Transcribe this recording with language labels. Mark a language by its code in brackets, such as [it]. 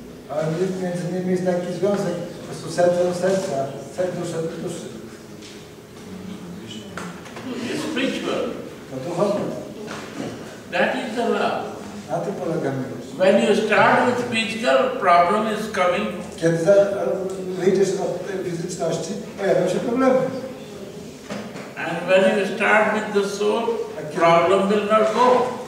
[en] And it means that he's like his brother. [pl] To serce do serca, serce dusze do duszy. [en] Spiritual. [pl] To duchowne. [en] That is the love. [pl] Na tym polega miłość. [en] When you start with spiritual, problem is coming. [pl] Kiedy wyjdziesz od fizyczności, pojawią się problemy. [en] And when you start with the soul, problem will not go.